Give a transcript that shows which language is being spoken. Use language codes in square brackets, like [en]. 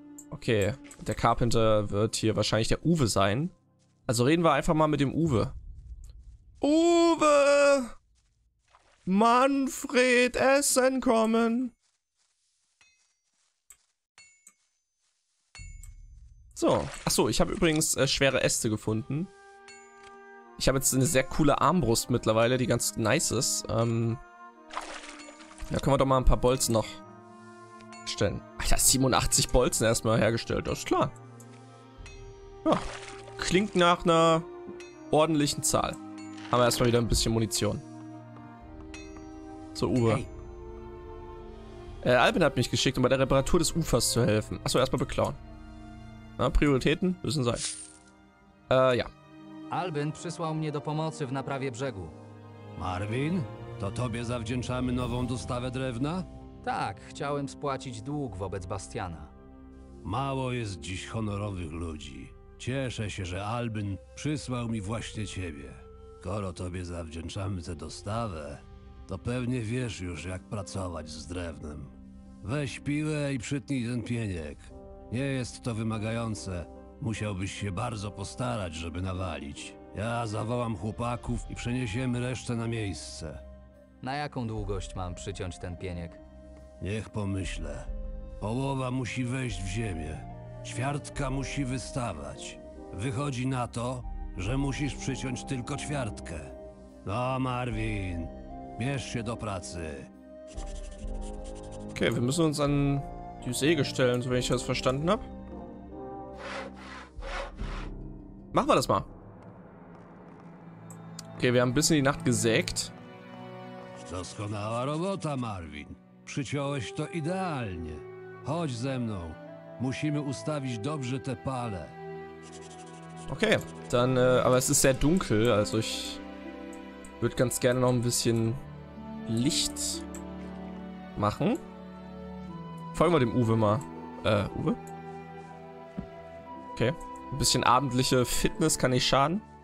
[de] Okay, der Carpenter wird hier wahrscheinlich der Uwe sein. Also reden wir einfach mal mit dem Uwe. Uwe! Manfred, Essen kommen! So, achso, ich habe übrigens schwere Äste gefunden. Ich habe jetzt eine sehr coole Armbrust mittlerweile, die ganz nice ist. Da können wir doch mal ein paar Bolzen noch stellen. Alter, 87 Bolzen erstmal hergestellt, das ist klar. Ja, klingt nach einer ordentlichen Zahl. Haben wir erstmal wieder ein bisschen Munition. So, Uwe. Hey. Albin hat mich geschickt, um bei der Reparatur des Ufers zu helfen. Achso, erstmal beklauen. Na, Prioritäten müssen sein. Ja. [pl] Albin przysłał mnie do pomocy w naprawie brzegu. Marvin, to tobie zawdzięczamy nową dostawę drewna? Tak, chciałem spłacić dług wobec Bastiana. Mało jest dziś honorowych ludzi. Cieszę się, że Albin przysłał mi właśnie ciebie. Skoro tobie zawdzięczamy tę dostawę, to pewnie wiesz już, jak pracować z drewnem. Weź piłę i przytnij ten pieniek. Nie jest to wymagające. Musiałbyś się bardzo postarać, żeby nawalić. Ja zawołam chłopaków i przeniesiemy resztę na miejsce. Na jaką długość mam przyciąć ten pieniek? Niech pomyślę. Połowa musi wejść w ziemię. Ćwiartka musi wystawać. Wychodzi na to, że musisz przyciąć tylko ćwiartkę. No, Marvin, bierz się do pracy. [de] Okay, wir müssen uns an die Säge stellen, so wie ich das verstanden habe. Machen wir das mal. Okay, wir haben ein bisschen die Nacht gesägt. [pl] Doskonała robota, Marvin. Przyciąłeś to idealnie. Chodź ze mną. Musimy ustawić dobrze te pale. [de] Okay, dann, aber es ist sehr dunkel, also ich würde ganz gerne noch ein bisschen Licht machen. Folgen wir dem Uwe mal. Uwe? Okay. Ein bisschen abendliche Fitness kann nicht schaden.